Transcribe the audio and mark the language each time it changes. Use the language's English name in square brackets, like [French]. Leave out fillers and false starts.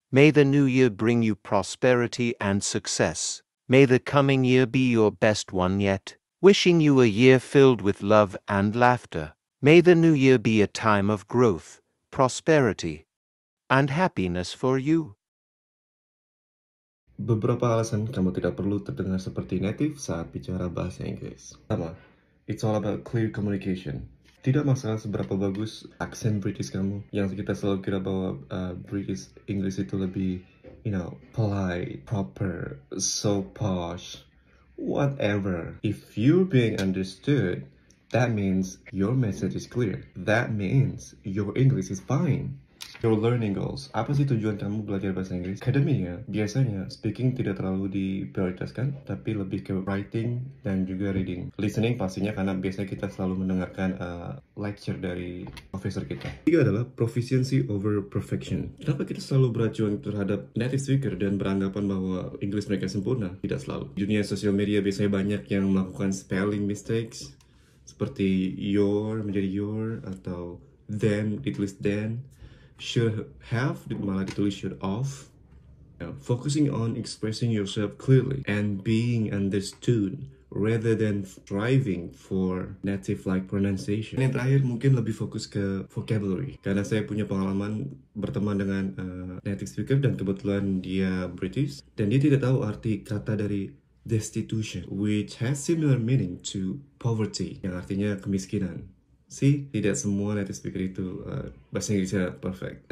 [English] May the new year bring you prosperity and success. May the coming year be your best one yet. Wishing you a year filled with love and laughter. May the new year be a time of growth, prosperity, and happiness for you. [Indonesian] Beberapa alasan kamu tidak perlu terdengar seperti native saat bicara bahasa Inggris. Pertama, [English] it's all about clear communication. [Indonesian] Tidak masalah seberapa bagus aksen British kamu, yang kita selalu kira bahwa British English itu lebih, [English] you know, polite, proper, so posh, whatever. If you're being understood, that means your message is clear. That means your English is fine. Your learning goals. [Indonesian] Apa sih tujuan kamu belajar bahasa Inggris? Akademinya, biasanya speaking tidak terlalu diprioritaskan, tapi lebih ke writing dan juga reading. Listening pastinya karena biasanya kita selalu mendengarkan lecture dari professor kita. Tiga adalah [English] proficiency over perfection. [Indonesian] Kenapa kita selalu beracuan terhadap native speaker dan beranggapan bahwa Inggris mereka sempurna? Tidak selalu. Dunia sosial media biasanya banyak yang melakukan spelling mistakes, seperti your menjadi your atau them ditulis then, should have malah ditulis should of, [English] Focusing on expressing yourself clearly and being understood rather than striving for native-like pronunciation. [Indonesian] Dan yang terakhir mungkin lebih fokus ke vocabulary. Karena saya punya pengalaman berteman dengan native speaker dan kebetulan dia British. Dan dia tidak tahu arti kata dari destitution, [English] which has similar meaning to poverty, [Indonesian] yang artinya kemiskinan. See, tidak semua native speaker itu bahasa Inggrisnya perfect.